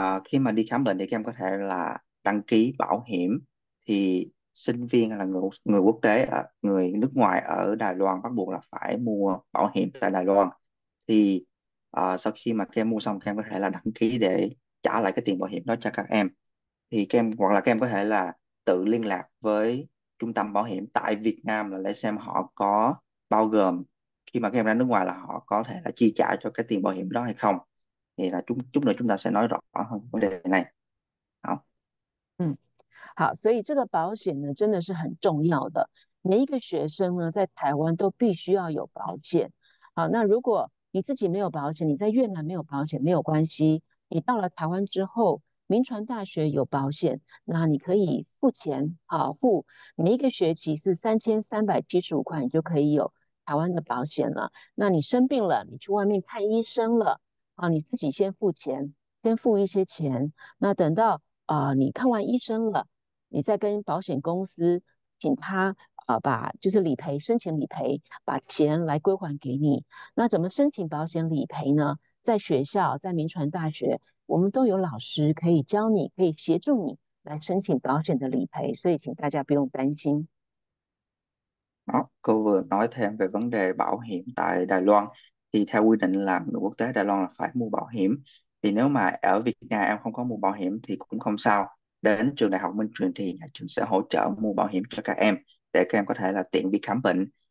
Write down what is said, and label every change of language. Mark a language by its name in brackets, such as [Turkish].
[Vietnamese] Khi mà đi khám bệnh thì các em có thể là đăng ký bảo hiểm thì sinh viên hay là người quốc tế người nước ngoài ở Đài Loan bắt buộc là phải mua bảo hiểm tại Đài Loan thì sau khi mà các em mua xong các em có thể là đăng ký để trả lại cái tiền bảo hiểm đó cho các em thì các em hoặc là các em có thể là tự liên lạc với trung tâm bảo hiểm tại Việt Nam là để xem họ có bao gồm khi mà các em ra nước ngoài là họ có thể là chi trả cho cái tiền bảo hiểm đó hay không. Thì là chút nữa chúng ta sẽ nói rõ hơn vấn đề này. [Chinese] 好，所以这个保险呢，真的是很重要的。每一个学生呢，在台湾都必须要有保险。好，那如果你自己没有保险，你在越南没有保险没有关系，你到了台湾之后，明传大学有保险，那你可以付钱，好，付每一个学期是3375块，你就可以有台湾的保险了。那你生病了，你去外面看医生了，啊，你自己先付钱，先付一些钱，那等到。你看完医生了，你再跟保险公司请他把就是理赔申请理赔，把钱来归还给你。那怎么申请保险理赔呢？在学校，在明传大学，我们都有老师可以教你，可以协助你来申请保险的理赔，所以请大家不用担心。 [Vietnamese] Đó, cô vừa nói thêm về vấn đề bảo hiểm tại Đài Loan thì theo quy định là người quốc tế Đài Loan là phải mua bảo hiểm thì nếu mà ở Việt Nam em không có mua bảo hiểm thì cũng không sao đến trường Đại học Minh Truyền thì nhà trường sẽ hỗ trợ mua bảo hiểm cho các em để các em có thể là tiện đi khám bệnh